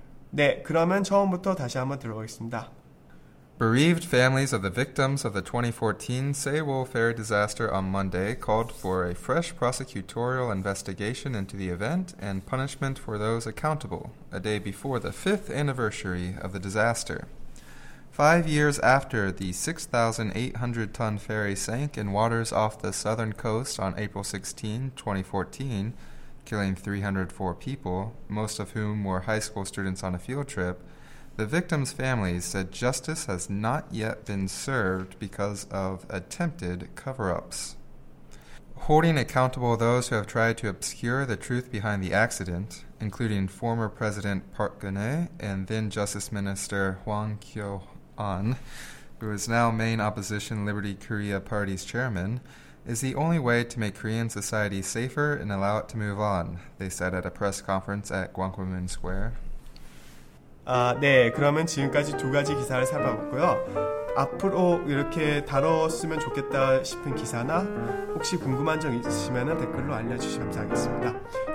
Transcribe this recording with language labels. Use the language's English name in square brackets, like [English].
[Korean] 네, 그러면 처음부터 다시 한번 들어보겠습니다. [English] Bereaved families of the victims of the 2014 Sewol ferry disaster on Monday called for a fresh prosecutorial investigation into the event and punishment for those accountable, a day before the fifth anniversary of the disaster. 5 years after the 6,800-ton ferry sank in waters off the southern coast on April 16, 2014, killing 304 people, most of whom were high school students on a field trip, the victims' families said justice has not yet been served because of attempted cover-ups. Holding accountable those who have tried to obscure the truth behind the accident, including former President Park Geun-hye and then Justice Minister Hwang Kyo-an, who is now main opposition Liberty Korea Party's chairman, is the only way to make Korean society safer and allow it to move on, they said at a press conference at Gwangwamun Square. [Korean] 아, 네, 그러면 지금까지 두 가지 기사를 살펴봤고요. 앞으로 이렇게 다뤘으면 좋겠다 싶은 기사나 혹시 궁금한 점 있으시면 댓글로 알려주시면 감사하겠습니다.